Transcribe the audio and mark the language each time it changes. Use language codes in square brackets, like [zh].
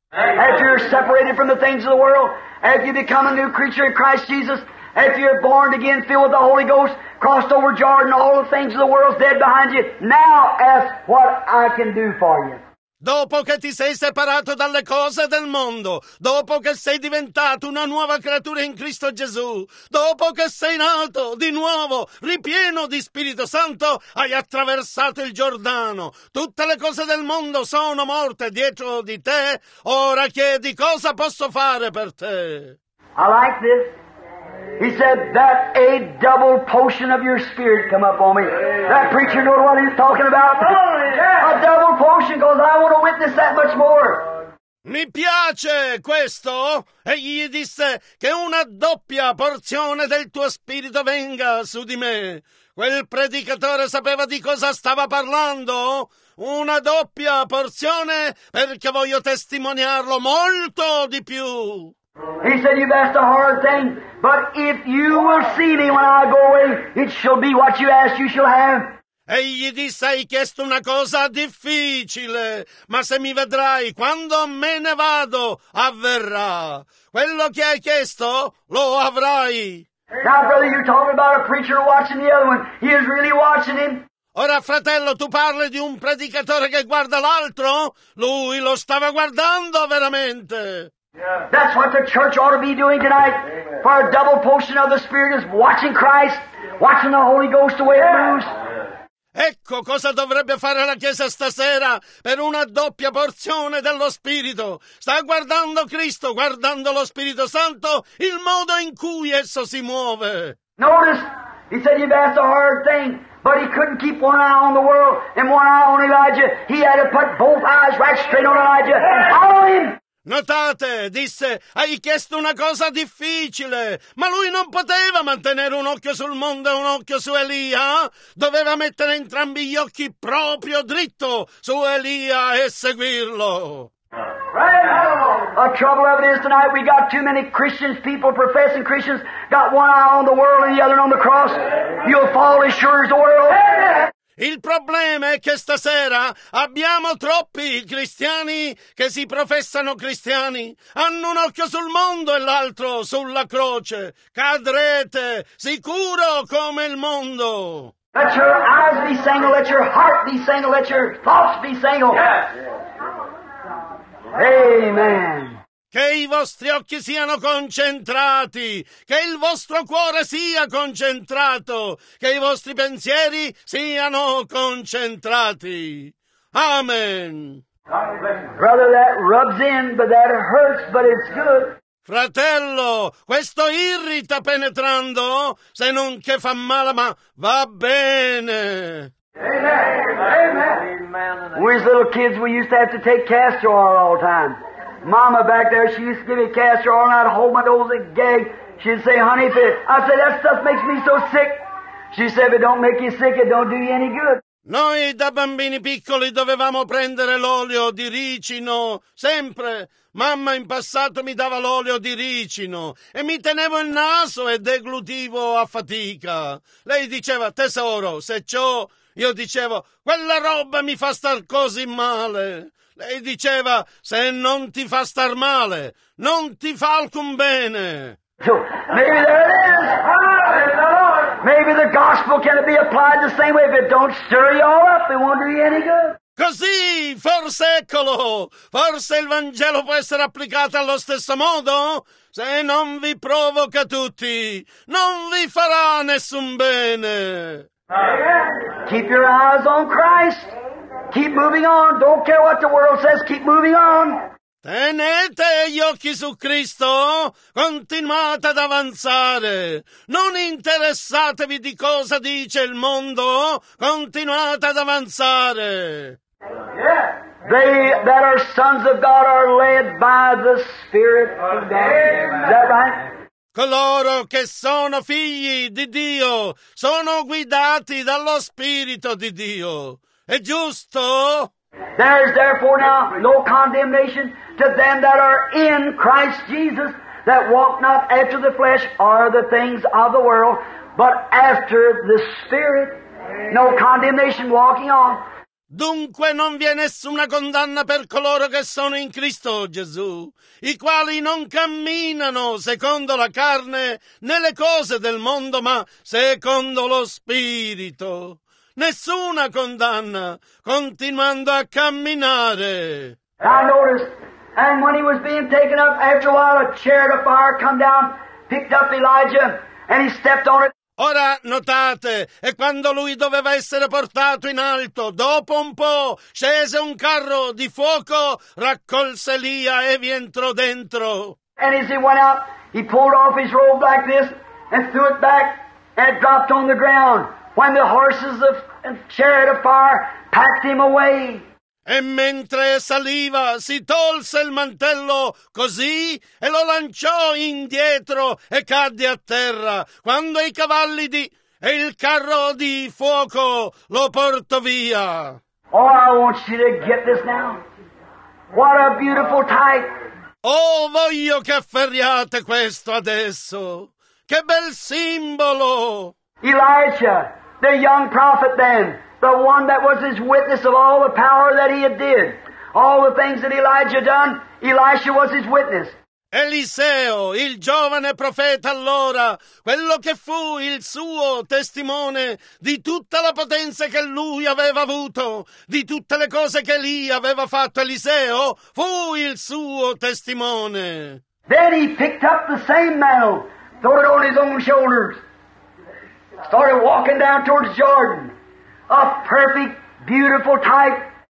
[en] If you're separated from the things of the world, if you become a new creature in Christ Jesus, if you're born again, filled with the Holy Ghost, crossed over Jordan, all the things of the world's dead behind you, now ask what I can do for you. [it] Dopo che ti sei separato dalle cose del mondo, dopo che sei diventato una nuova creatura in Cristo Gesù, dopo che sei nato di nuovo, ripieno di Spirito Santo, hai attraversato il Giordano. Tutte le cose del mondo sono morte dietro di te. Ora chiedi cosa posso fare per te. [en] I like this. He said that a double portion of your spirit come up on me. That preacher knows what he's talking about. A double portion, because I want to witness that much more. [it] Mi piace questo. E gli disse che una doppia porzione del tuo spirito venga su di me. Quel predicatore sapeva di cosa stava parlando. Una doppia porzione, perché voglio testimoniarlo molto di più. [en] He said, "You've asked a hard thing, but if you will see me when I go away, it shall be what you ask, you shall have." [it] Egli disse, "Hai chiesto una cosa difficile, ma se mi vedrai quando me ne vado, avverrà. Quello che hai chiesto, lo avrai." [en] Now, brother, you're talking about a preacher watching the other one. He is really watching him. [it] Ora, fratello, tu parli di un predicatore che guarda l'altro? Lui lo stava guardando veramente. [en] Yeah. That's what the church ought to be doing tonight. Amen. For a double portion of the Spirit is watching Christ, watching the Holy Ghost the way it moves. [it] Ecco cosa dovrebbe fare la Chiesa stasera per una doppia porzione dello Spirito. Sta guardando Cristo, guardando lo Spirito Santo, il modo in cui esso si muove. [en] Notice, he said you've asked a hard thing, but he couldn't keep one eye on the world and one eye on Elijah. He had to put both eyes right straight on Elijah and follow him. [it] Notate, disse, hai chiesto una cosa difficile, ma lui non poteva mantenere un occhio sul mondo e un occhio su Elia. Doveva mettere entrambi gli occhi proprio dritto su Elia e seguirlo. [en] A trouble of it is tonight we got too many Christians, people professing Christians, got one eye on the world and the other on the cross. You'll fall as sure as the world. [it] Il problema è che stasera abbiamo troppi cristiani che si professano cristiani. Hanno un occhio sul mondo e l'altro sulla croce. Cadrete sicuro come il mondo. [en] Let your eyes be single, let your heart be single, let your thoughts be single. Amen. [it] Che i vostri occhi siano concentrati, che il vostro cuore sia concentrato, che i vostri pensieri siano concentrati. Amen. [en] Brother, that rubs in, but that hurts, but it's good. [it] Fratello, questo irrita penetrando, se non che fa male, ma va bene. [en] Amen. Amen. We as little kids, we used to have to take castor oil all the time. Mama back there, she used to give me castor oil and I'd hold my nose and gag. She'd say, "Honey, if it..." I said, "That stuff makes me so sick." She said, "If it don't make you sick, it don't do you any good." [it] Noi da bambini piccoli dovevamo prendere l'olio di ricino sempre. Mamma in passato mi dava l'olio di ricino e mi tenevo il naso e deglutivo a fatica. Lei diceva, "Tesoro, se ciò..." Io dicevo, "Quella roba mi fa star così male." Lei diceva, "Se non ti fa star male, non ti fa alcun bene." [en] So, maybe there it is. Maybe the gospel can be applied the same way. If it don't stir you all up, it won't do you any good. [it] Così, forse eccolo. Forse il Vangelo può essere applicato allo stesso modo. Se non vi provoca tutti, non vi farà nessun bene. [en] Keep your eyes on Christ. Keep moving on. Don't care what the world says. Keep moving on. [it] Tenete gli occhi su Cristo. Continuate ad avanzare. Non interessatevi di cosa dice il mondo. Continuate ad avanzare. [en] Yeah. They that are sons of God are led by the Spirit of God. Amen. Is that right? [it] Coloro che sono figli di Dio sono guidati dallo Spirito di Dio. È giusto? [en] There is therefore now no condemnation to them that are in Christ Jesus, that walk not after the flesh or the things of the world, but after the Spirit. No condemnation walking on. [it] Dunque non vi è nessuna condanna per coloro che sono in Cristo Gesù, i quali non camminano secondo la carne né le cose del mondo, ma secondo lo Spirito. Nessuna condanna, continuando a camminare. [en] Now notice, and when he was being taken up, after a while a chariot of fire come down, picked up Elijah, and he stepped on it. [it] Ora notate, e quando lui doveva essere portato in alto, dopo un po' scese un carro di fuoco, raccolse Elia e vi entrò dentro. [en] And as he went out, he pulled off his robe like this, and threw it back, and it dropped on the ground. When the horses of the chariot of fire packed him away. [it] E mentre saliva, si tolse il mantello così e lo lanciò indietro e cadde a terra. Quando i cavalli di e il carro di fuoco lo portò via. [en] Oh, I want you to get this now. What a beautiful type. [it] Oh, voglio che afferriate questo adesso. Che bel simbolo. [en] Elijah, the young prophet then, the one that was his witness of all the power that he had did, all the things that Elijah done, Elisha was his witness. [it] Eliseo, il giovane profeta allora, quello che fu il suo testimone di tutta la potenza che lui aveva avuto, di tutte le cose che lì aveva fatto, Eliseo fu il suo testimone. [en] Then he picked up the same mantle, threw it on his own shoulders. Started walking down towards Jordan, a perfect, beautiful type.